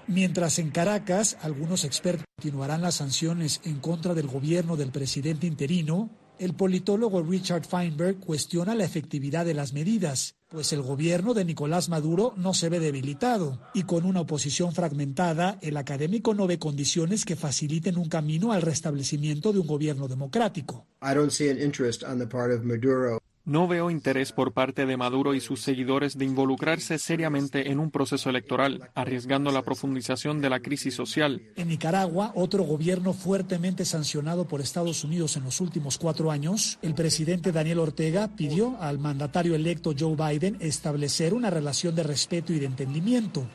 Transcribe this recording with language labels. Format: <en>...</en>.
<es>Mientras en Caracas, algunos expertos continuarán las sanciones en contra del gobierno del presidente interino, El politólogo Richard Feinberg cuestiona la efectividad de las medidas, pues el gobierno de Nicolás Maduro no se ve debilitado. Y con una oposición fragmentada, el académico no ve condiciones que faciliten un camino al restablecimiento de un gobierno democrático.</es> <en>I don't see an interest on the part of Maduro.</en> <es>No veo interés por parte de Maduro y sus seguidores de involucrarse seriamente en un proceso electoral, arriesgando la profundización de la crisis social. En Nicaragua, otro gobierno fuertemente sancionado por Estados Unidos en los últimos 4 años, el presidente Daniel Ortega pidió al mandatario electo Joe Biden establecer una relación de respeto y de entendimiento.</es>